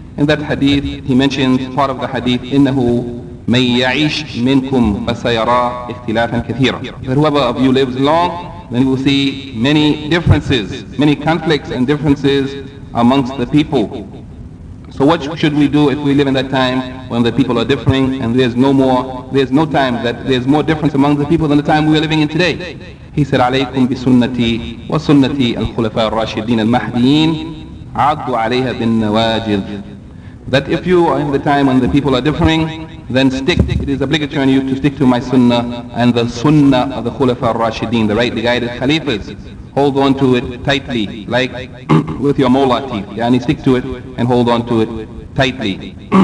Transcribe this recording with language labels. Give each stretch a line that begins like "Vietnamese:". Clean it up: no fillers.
English: In that hadith he mentions part of the hadith,
Arabic: innahu may ya'ish minkum fasayara ikhtilafan kathira,
English: that whoever of you lives long, then you will see many differences, many conflicts and differences amongst the people. So what should we do if we live in that time when the people are differing and there's more difference among the people than the time we are living in today? He said,
Arabic: عليكم بسنتي وسنتي الخلفاء الراشدين المهديين عضوا عليها بالنواجذ.
English: That if you are in the time when the people are differing, then stick, it is obligatory on you to stick to my sunnah and the sunnah of the Khulafa al-Rashideen, the rightly guided khalifas. Hold on to it tightly, like with your molar teeth. Yani stick to it and hold on to it tightly.